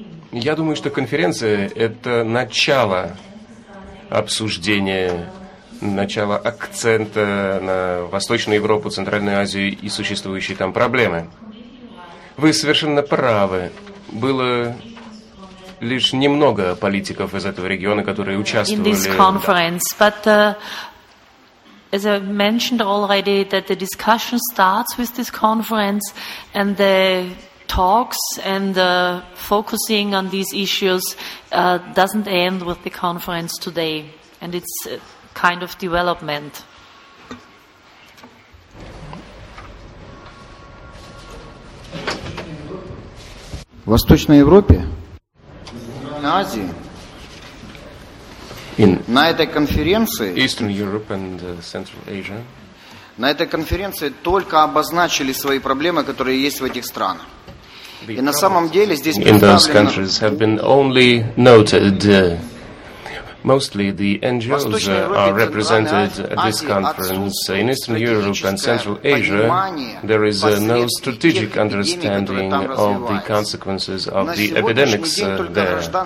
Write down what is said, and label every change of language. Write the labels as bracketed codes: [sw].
[ru] Я думаю, что конференция – это начало обсуждения, начало акцента на Восточную Европу, Центральную Азию и существующие там проблемы. Вы совершенно правы. Было лишь немного политиков из этого региона, которые участвовали. [en] In this conference, but As I mentioned already, that the discussion starts with this conference, and the talks and the focusing on these issues doesn't end with the conference today, and it's a kind of development. [ru] В Восточной Европе, на Азии, на этой конференции, [en] Eastern Europe and Central Asia, [ru] на этой конференции только обозначили свои проблемы, которые есть в этих странах. И на самом деле здесь [en] in those countries have been only noted, mostly the NGOs are represented at this conference. In Eastern Europe and Central Asia, there is no strategic understanding of the consequences of the epidemics there.